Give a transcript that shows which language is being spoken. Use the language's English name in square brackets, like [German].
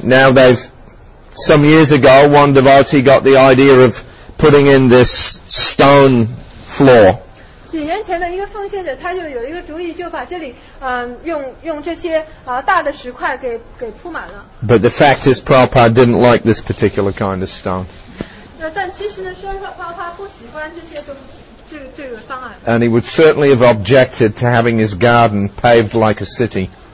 [English] now they've some years ago, one devotee got the idea of putting in this stone floor. [Chinese] 几年前的一个奉献者，他就有一个主意，就把这里用这些大的石块给铺满了。 [English] But the fact is, Prabhupada didn't like this particular kind of stone. [Chinese] 但其实呢，说实话，Prabhupada不喜欢这些东西。 [English] And he would certainly have objected to having his garden paved like a city.